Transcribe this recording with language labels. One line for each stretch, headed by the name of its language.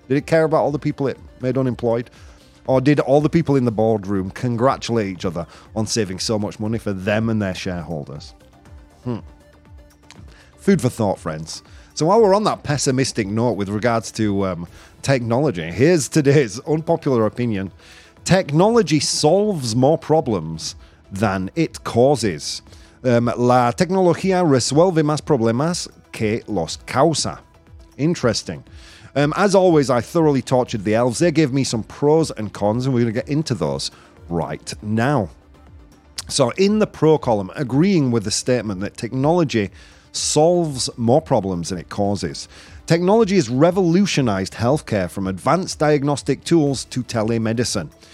English: Did it care about all the people it made unemployed? Or did all the people in the boardroom congratulate each other on saving so much money for them and their shareholders? Food for thought, friends. So while we're on that pessimistic note with regards to technology, here's today's unpopular opinion. Technology solves more problems than it causes.
Spanish: La tecnología resuelve más problemas que los causa.
English: Interesting. As always, I thoroughly tortured the elves. They gave me some pros and cons, and we're going to get into those right now. So in the pro column, agreeing with the statement that technology solves more problems than it causes. Technology has revolutionized healthcare, from advanced diagnostic tools to telemedicine.